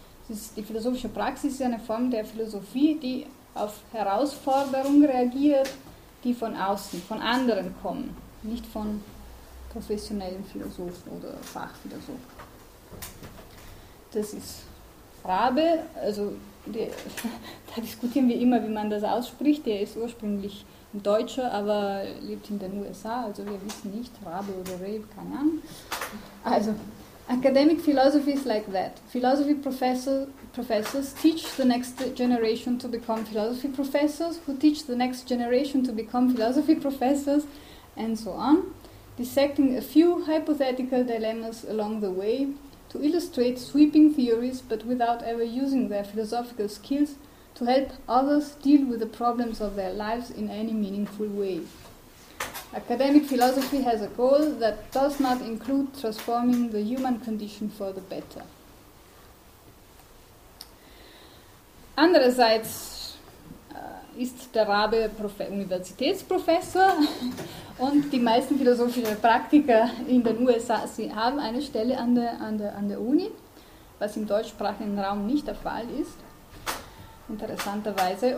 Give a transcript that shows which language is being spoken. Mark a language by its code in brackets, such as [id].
[de] Die philosophische Praxis ist eine Form der Philosophie, die auf Herausforderungen reagiert, die von außen, von anderen kommen, nicht von professionellen Philosophen oder Fachphilosophen. Das ist Rabe, also da diskutieren wir immer, wie man das ausspricht. Der ist ursprünglich ein Deutscher, aber lebt in den USA, also wir wissen nicht, Rabe oder Rabe, keine Ahnung. [en] Also, academic philosophy is like that. Philosophy professors teach the next generation to become philosophy professors, who teach the next generation to become philosophy professors, and so on, dissecting a few hypothetical dilemmas along the way to illustrate sweeping theories, but without ever using their philosophical skills to help others deal with the problems of their lives in any meaningful way. Academic philosophy has a goal that does not include transforming the human condition for the better. [de] Andererseits ist der Rabe Universitätsprofessor und die meisten philosophischen Praktiker in den USA, sie haben eine Stelle an der Uni, was im deutschsprachigen Raum nicht der Fall ist, interessanterweise.